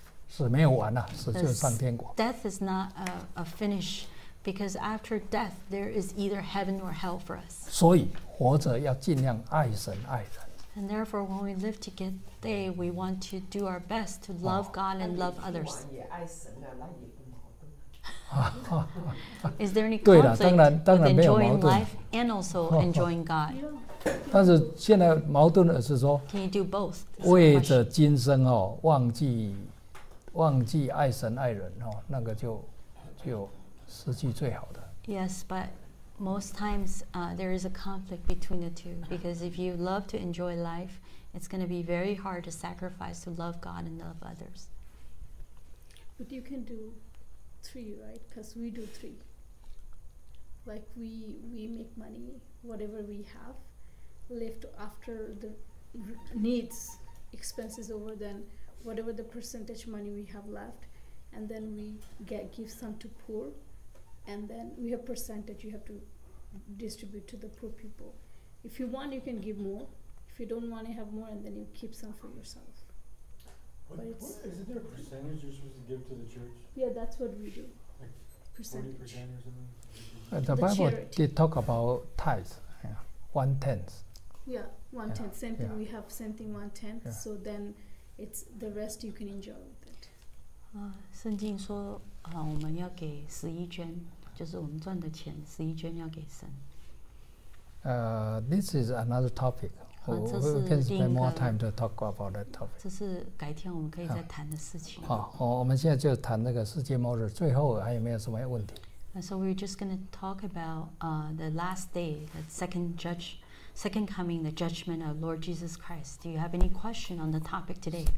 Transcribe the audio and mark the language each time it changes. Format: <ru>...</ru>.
<zh>死没有完呐、啊，死就是上天国。</zh> <en>Death is not a finish, because after death there is either heaven or hell for us.</en> <zh>所以活着要尽量爱神爱人。</zh> <en>And therefore, when we live to get day, we want to do our best to love God and love others.</en> <zh>也爱神啊，那也不矛盾。</zh> <en>Is there any conflict?</en> <zh>对了，当然当然没有矛盾。</zh> <en>With enjoying life and also enjoying God.</en> <zh>但是现在矛盾的是说</zh> <en>Can you do both?</en> <zh>为着今生、哦、忘记爱神爱人、哦、那个就失去最好的</zh> <en>Yes, but most times there is a conflict between the two, because if you love to enjoy life, it's going to be very hard to sacrifice to love God and love others. But you can do three, right? Because we do three. Like we make money, whatever we have, left after the needs, expenses over, then whatever the percentage money we have left, and then we give some to poor, and then we have percentage you have to distribute to the poor people. If you want, you can give more. If you don't want to have more, and then you keep some for yourself. Isn't there a percentage you're supposed to give to the church? Yeah, that's what we do. Like percentage. 40% or something? The Bible did talk about tithes, yeah. One-tenth. Yeah, one-tenth, yeah. Same thing, yeah. We have same thing, one-tenth, yeah. So then it's the rest you can enjoy with it.</en> <zh>圣经说, 我们要给十一捐, 就是我们赚的钱, 十一捐要给神。</zh> <en>This is another topic. We can spend more time to talk about that topic.</en> <zh>这是改天我们可以再谈的事情。好,我们现在就谈那个世界末日,最后还有没有什么问题?</zh> <en>So we're just going to talk about the last day, the second coming, the judgment of Lord Jesus Christ. Do you have any question on the topic today?</en>